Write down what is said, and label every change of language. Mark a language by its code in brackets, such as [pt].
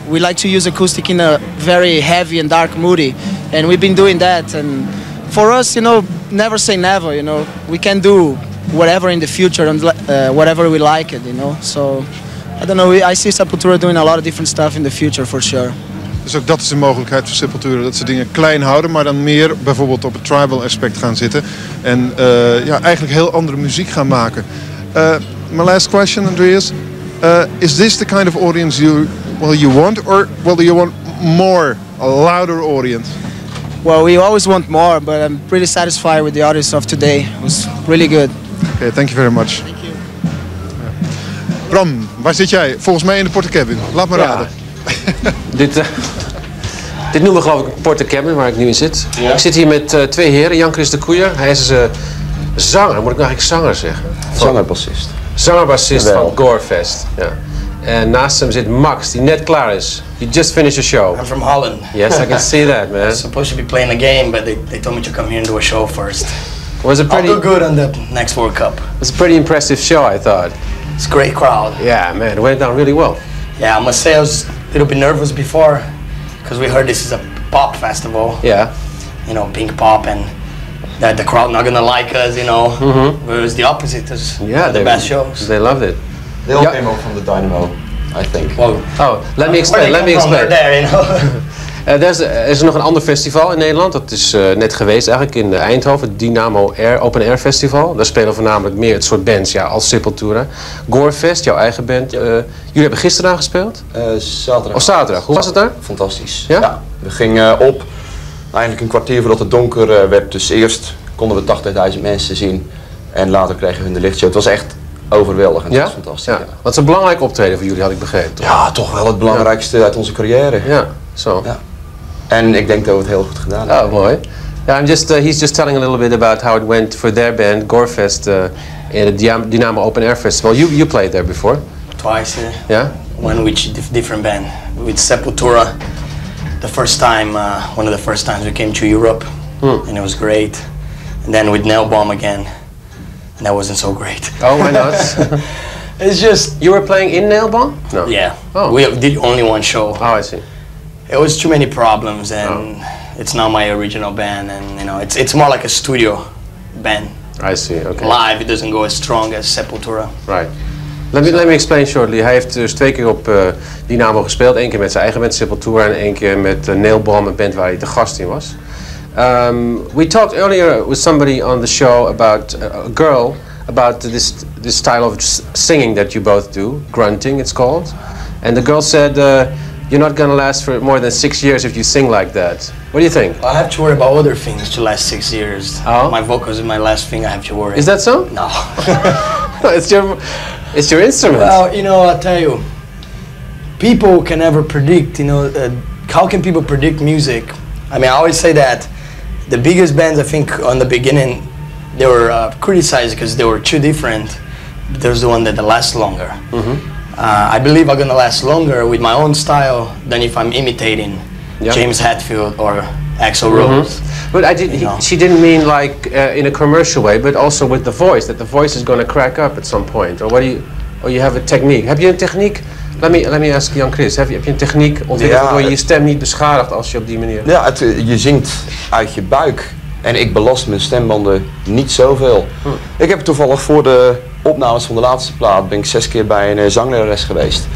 [en] We like to use acoustic in a very heavy and dark moody. And we've been doing that. And for us, you know, never say never, you know. We can do whatever in the future and whatever we like it, you know. So, I don't know, I see Sepultura doing a lot of different stuff in the future, for sure. [nl] Dus ook dat is een mogelijkheid voor Sepultura, dat ze dingen klein houden, maar dan meer bijvoorbeeld op het tribal aspect gaan zitten. En ja, eigenlijk heel andere muziek gaan maken. [en] My last question, Andreas. Is this the kind of audience you want, or do you want more, a louder audience? Well, we always want more, but I'm pretty satisfied with the audience of today. It was really good. Okay, thank you very much. Thank you. [nl] Bram, waar zit jij? Volgens mij in de Porta Cabin. Laat me raden. dit noemen we geloof ik Porta Cabin, waar ik nu in zit. Ja. Ik zit hier met twee heren, Jan Chris de Koeyer. Hij is zanger, moet ik nou eigenlijk zanger zeggen? Zanger-bassist. Zanger-bassist van Gorefest. Ja. En naast hem zit Max, die net klaar is. [en] You just finished your show. I'm from Holland. Yes, I can see that, man. I was supposed to be playing a game, but they told me to come here and do a show first. Was it pretty? I'll do good on the next World Cup. It was a pretty impressive show, I thought. It's a great crowd. Yeah, man, it went down really well. Yeah, I must say I was a little bit nervous before, because we heard this is a pop festival. Yeah. You know, pink pop, and that the crowd not gonna like us, you know. Mm-hmm. But it was the opposite. It was the best shows. They loved it. They all came out from the Dynamo, I think. Well, let me explain. Let me explain. From? They're there, you know. [nl] Er is nog een ander festival in Nederland, dat is net geweest eigenlijk in Eindhoven, het Dynamo Air Open Air Festival. Daar spelen voornamelijk meer het soort bands, ja, als Sepultura. Gorefest, jouw eigen band. Ja. Jullie hebben gisteren aan gespeeld? Zaterdag. Of zaterdag, hoe was het daar? Fantastisch. Ja? Ja, we gingen op eigenlijk een kwartier voordat het donker werd. Dus eerst konden we 80.000 mensen zien en later kregen we een lichtshow. Het was echt overweldigend. Ja? Dat was fantastisch. Ja. Ja. Wat is een belangrijk optreden voor jullie, had ik begrepen? Toch? Ja, toch wel het belangrijkste uit onze carrière. Ja, zo. Ja. En ik denk dat we het heel goed gedaan hebben. Oh, mooi. [en] Yeah, he's just telling a little bit about how it went for their band, Gorefest, in the Dynamo Open Air Festival. You played there before. Twice, yeah. Yeah? One with different band. With Sepultura, the first time, one of the first times we came to Europe. Hmm. And it was great. And then with Nailbomb again. And that wasn't so great. Oh, why not? It's just... You were playing in Nailbomb? No. Yeah. Oh. We did only one show. Oh, I see. It was too many problems, and it's not my original band, and you know, it's more like a studio band. I see. Okay. Live, it doesn't go as strong as Sepultura. Right. Let me explain shortly. [nl] Hij heeft dus twee keer op Dynamo gespeeld, één keer met zijn eigen band Sepultura en één keer met Nailbomb, een band waar hij de gast in was. [en] We talked earlier with somebody on the show about a girl, about this style of singing that you both do, grunting, it's called, and the girl said. You're not gonna last for more than 6 years if you sing like that. What do you think? I have to worry about other things to last 6 years. Oh? My vocals are my last thing I have to worry. Is that so? No. it's your instrument. Well, you know, I'll tell you, people can never predict, you know, how can people predict music? I mean, I always say that the biggest bands, I think, on the beginning, they were criticized because they were too different. There's the one that lasts longer. Mm-hmm. I believe I'm gonna last longer with my own style than if I'm imitating James Hetfield or Axl Rose. But I did. She didn't mean like in a commercial way, but also with the voice. That the voice is gonna crack up at some point. Or what do you? Or you have a technique? Have you a technique? Let me ask Jan Chris. [nl] Heb je een techniek ontwikkeld waardoor je stem niet beschadigd als je op die manier? Ja, je zingt uit je buik. En ik belast mijn stembanden niet zoveel. Hm. Ik heb toevallig voor de opnames van de laatste plaat ben ik 6 keer bij een zanglerares geweest.